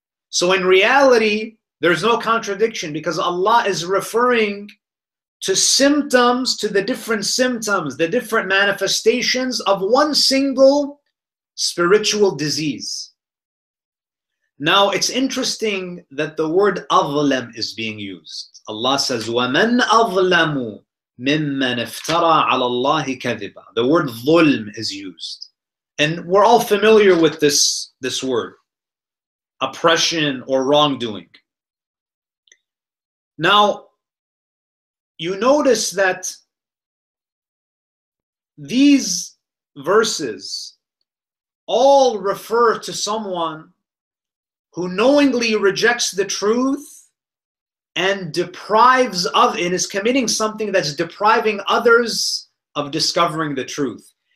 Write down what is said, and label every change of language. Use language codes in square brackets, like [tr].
[en] So in reality, there's no contradiction, because Allah is referring to symptoms, to the different symptoms, the different manifestations of one single spiritual disease. Now, it's interesting that the word أظلم is being used. Allah says, [ar] وَمَنْ أَظْلَمُ مِمَّنْ افْتَرَى عَلَى اللَّهِ كَذِبًا. [en] The word ظُلْم is used. And we're all familiar with this word, oppression or wrongdoing. Now, you notice that these verses all refer to someone who knowingly rejects the truth and deprives of, and is committing something that's depriving others of discovering the truth.